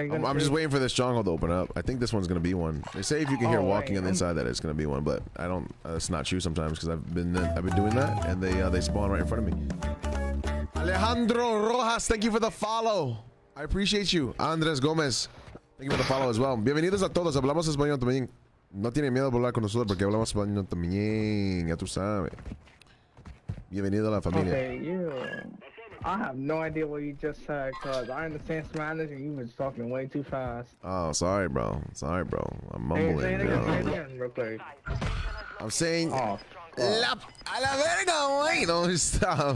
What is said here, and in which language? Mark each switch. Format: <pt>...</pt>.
<en>I'm just waiting for the stronghold to open up. I think this one's gonna be one. They say if you can hear walking on the inside, that it's gonna be one, but I don't. That's not true sometimes because I've been doing that and they spawn right in front of me. Alejandro Rojas, thank you for the follow. I appreciate you. Andres Gomez, thank you for the follow as well.</en> <es>Bienvenidos a todos. Hablamos español también. No tiene miedo hablar con nosotros porque hablamos español también. Ya tú sabes. Bienvenido a la familia.</es> <en>Okay, I have no idea what you just said, because I understand Spanish and you were talking way too fast. Oh, sorry, bro. I'm mumbling. Hey, say it again, real quick. I'm saying,</en> <es>a la verga,</es> <en>wait. No, stop.</en>